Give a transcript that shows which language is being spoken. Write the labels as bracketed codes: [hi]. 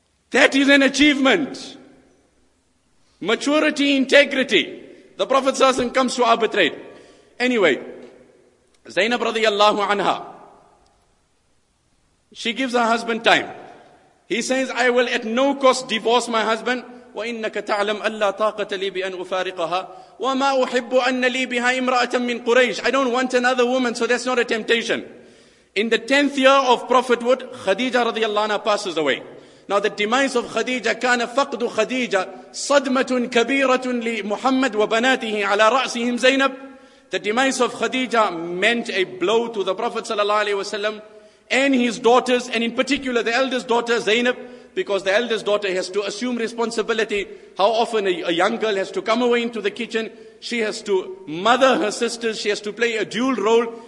[en] That is an achievement. Maturity, integrity. The Prophet ﷺ comes to arbitrate. Anyway, Zainab radiallahu anha, she gives her husband time. He says, I will at no cost divorce my husband. [ar] وَإِنَّكَ تَعْلَمْ أَلَّا طَاقَةَ لِي بِأَنْ أُفَارِقَهَا وَمَا أُحِبُّ أَنَّ لِي بِهَا إِمْرَأَةً مِّنْ قُرَيْشٍ. [en] I don't want another woman, so that's not a temptation. In the 10th year of prophethood, Khadija radiallahu anha passes away. Now the demise of Khadija, [ar] كان فقد خديجة صدمة كبيرة لمحمد وبناته على رأسهم زينب. [en] The demise of Khadija meant a blow to the Prophet sallallahu alaihi wasallam and his daughters, and in particular the eldest daughter Zainab, because the eldest daughter has to assume responsibility. How often a young girl has to come away into the kitchen, she has to mother her sisters, she has to play a dual role.